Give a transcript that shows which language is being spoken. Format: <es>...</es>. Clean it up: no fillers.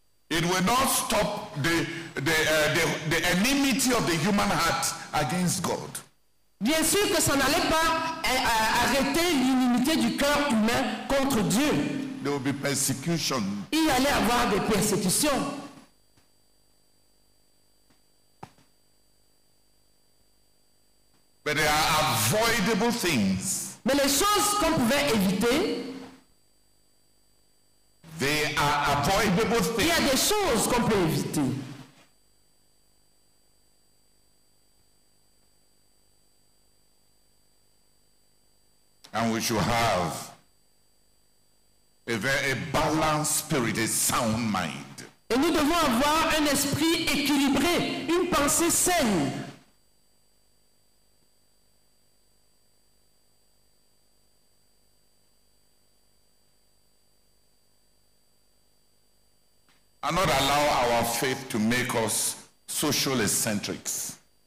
<en>It will not stop the enmity of the human heart against God.</en> <fr>Bien sûr que ça n'allait pas arrêter l'inimité du cœur humain contre Dieu.</fr> <en>There will be persecution.</en> <fr>Il allait avoir des persécutions.</fr> <en>But there are avoidable things.</en> <fr>Mais les choses qu'on pouvait éviter.</fr> <en>They are avoidable things.</en> <fr>Il y a des choses qu'on peut éviter.</fr> <en>And we should have a balanced spirit, a sound mind.</en> <fr>Et nous devons avoir un esprit équilibré, une pensée saine.</fr> <en>And not allow our faith to make us social eccentrics.</en>